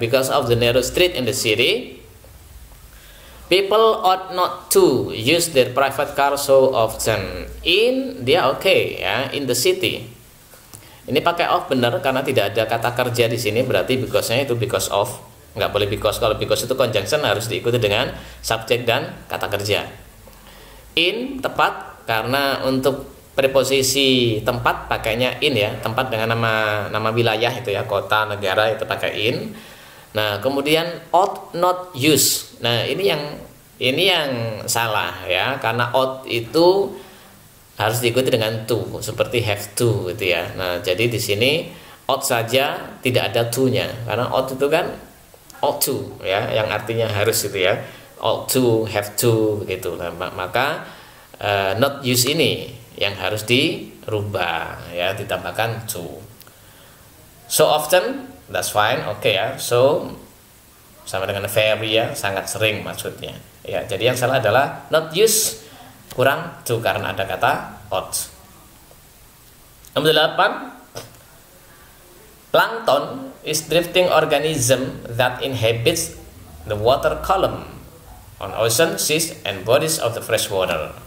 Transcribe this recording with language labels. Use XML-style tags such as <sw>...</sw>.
<en>Because of the narrow street in the city, people ought not to use their private car so often. In dia okay ya, in the city.</en> <id>Ini pakai of benar karena tidak ada kata kerja di sini, berarti because-nya itu because of. Enggak boleh because, kalau because itu conjunction harus diikuti dengan subjek dan kata kerja. In tepat karena untuk preposisi tempat pakainya in ya, tempat dengan nama wilayah itu ya, kota, negara itu pakai in. Nah, kemudian ought not use. Nah, ini yang salah ya, karena ought itu harus diikuti dengan to seperti have to gitu ya. Nah, jadi di sini ought saja tidak ada to-nya karena ought itu kan ought to ya, yang artinya harus gitu ya. Ought to, have to gitu. Nah, maka not use ini yang harus dirubah ya, ditambahkan to.</id> <en>So often, that's fine, okay</en> <id>ya. So sama dengan very ya, sangat sering maksudnya. Ya, jadi yang salah adalah not use kurang to karena ada kata ought. Nomor 8,</id> <en>plankton is drifting organism that inhabits the water column on ocean, seas and bodies of the fresh water.</en>